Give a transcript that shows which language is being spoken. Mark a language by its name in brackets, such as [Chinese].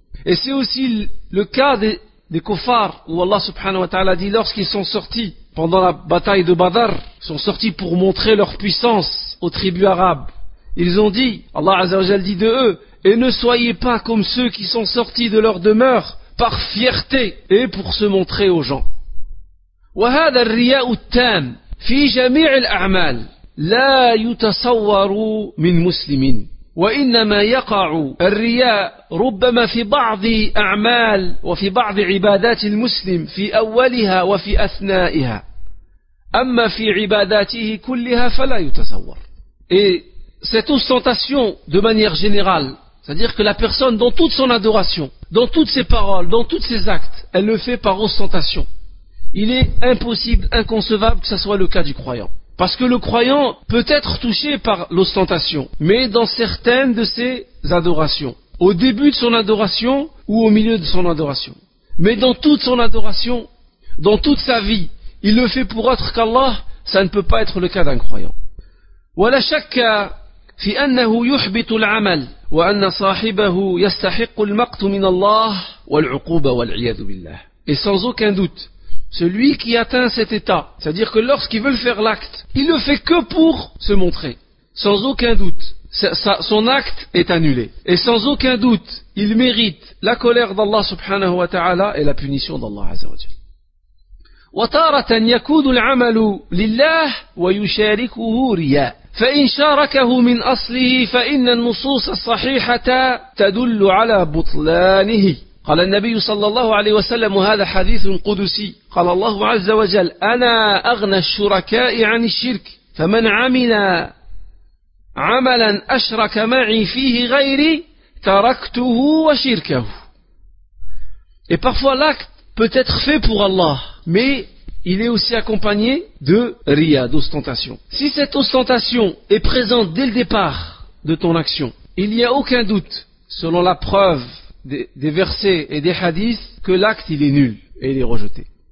[French] Et c'est aussi le cas des kuffars, où Allah subhanahu wa ta'ala dit, lorsqu'ils sont sortis pendant la bataille de Badr, sont sortis pour montrer leur puissance aux tribus arabes, ils ont dit, Allah azza wa jalla dit de eux, et ne soyez pas comme ceux qui sont sortis de leur demeure par fierté et pour se montrer aux gens. [Arabic] وهذا الرياء التام في جميع الأعمال لا يتصور من مسلم، وإنما يقع الرياء ربما في بعض أعمال وفي بعض عبادات المسلم في أولها وفي أثنائها، أما في عباداته كلها فلا يتصور. [French] Cette ostentation de manière générale, c'est-à-dire que la personne dans toute son adoration, dans toutes ses paroles, dans tous ses actes, elle le fait par ostentation. Il est impossible, inconcevable que ce soit le cas du croyant. Parce que le croyant peut être touché par l'ostentation, mais dans certaines de ses adorations. Au début de son adoration ou au milieu de son adoration. Mais dans toute son adoration, dans toute sa vie, il le fait pour autre qu'Allah, ça ne peut pas être le cas d'un croyant. [Arabic] ولا شك في أنه يحبط العمل وأن صاحبه يستحق المقت من الله والعقوبة والعياذ بالله. [French] Et sans aucun doute, celui qui atteint cet état, c'est-à-dire que lorsqu'il veut faire l'acte, il le fait que pour se montrer. Sans aucun doute, son acte est annulé. Et sans aucun doute, il mérite la colère d'Allah subhanahu wa ta'ala et la punition d'Allah azza wa jalla. [Arabic] وطارة يكون العمل لله ويشاركه رياء فإن شاركه من أصله فإن النصوص الصحيحة تدل على بطلانه. قال النبي صلى الله عليه وسلم، هذا حديث قدسي، قال الله عز وجل: أنا أغنى الشركاء عن الشرك، فمن عمل عملا أشرك معي فيه غيري تركته وشركه. [French] Et parfois l'acte peut être fait pour Allah, mais il est aussi accompagné de riya, d'ostentation. Si cette ostentation est présente dès le départ de ton action, il n'y a aucun doute, selon la preuve des versets et des hadiths, que l'acte il est nul et il est rejeté.